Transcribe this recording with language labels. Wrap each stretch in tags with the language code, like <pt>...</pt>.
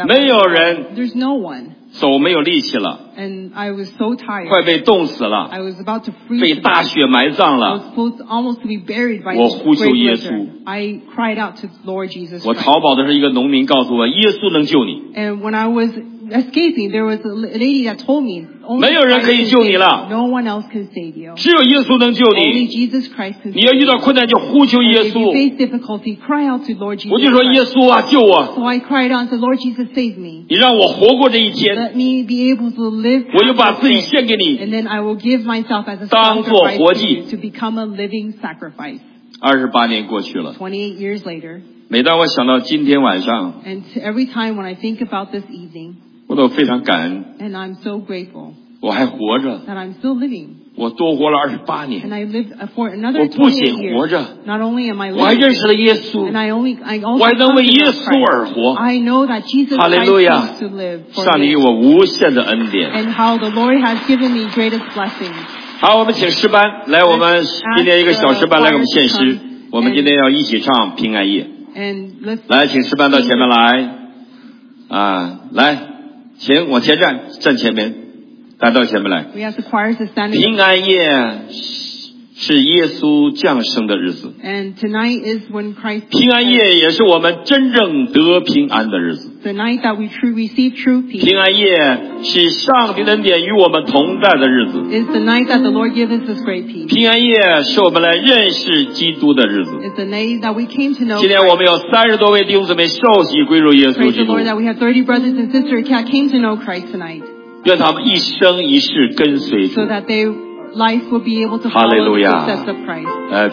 <zh>没有人</zh> <en>There's no one</en> <zh>手没有力气了</zh> <en>and I was so tired.</en> <zh>快被冻死了 被大雪埋葬了 我呼求耶稣</zh> <en>I cried out to Lord Jesus Christ.</en> <zh>我逃跑的是一个农民告诉我耶稣能救你</zh> <en>and when I was escaping there was a lady that told me</en> <zh>没有人可以救你了</zh> <en>no one else can save you.</en> <zh>只有耶稣能救你</zh> <en>only Jesus Christ can save you.</en> <zh>你要遇到困难就呼求耶稣</zh> <en>if you face difficulty cry out to Lord Jesus</en> <zh>Christ. 我就说耶稣啊救我</zh> <en>so I cried out to Lord Jesus save me.</en> <zh>你让我活过这一天</zh> <en>Let me be able to live.</en> <zh>我就把自己献给你</zh> <en>And then I will give myself as a sacrifice.</en> <zh>当作活祭</zh> <en>To become a living sacrifice.</en> <zh>28年过去了</zh> <en>28 years later.</en> <zh>每当我想到今天晚上</zh> <en>And every time when I think about this evening.</en> <zh>我都非常感恩</zh> <en>And I'm so grateful.</en> <zh>我还活着</zh> <en>That I'm still living.</en> <zh>我多活了28年</zh> <en>And I lived for another</en> <zh>我不仅活着</zh> <en>Not only am I living.</en> <zh>我还认识了耶稣</zh> <en>And I also</en> <zh>我还能为耶稣而活</zh> <en>I know that Jesus Christ needs to live for me.</en> <zh>上帝给我无限的恩典</zh> <en>And how the Lord has given me greatest blessings.</en> <zh>好我们请诗班来我们今天一个小诗班来给我们献诗我们今天要一起唱平安夜</zh> <en>And let's</en> <zh>来请诗班到前面来来请往前站站前面来到前面来</zh> <en>We ask the choir to stand</en> <zh>平安夜是耶稣降生的日子。</zh> <en>And tonight is when Christ.</en> <zh>平安夜也是我们真正得平安的日子。</zh> <en>The night that we truly receive true peace.</en> <zh>平安夜是上帝的恩典与我们同在的日子。</zh> <en>Is the night that the Lord gives us this great peace.</en> <zh>平安夜是我们来认识基督的日子。</zh> <en>Is the night that we came to know.</en> <zh>今天我们有30多位弟兄姊妹受洗归入耶稣基督。</zh> <en>Praise the Lord that we have 30 brothers and sisters that came to know Christ tonight.</en> <zh>愿他们一生一世跟随主。</zh> <en>So that they. Life will be able to follow the steps of Christ.</en>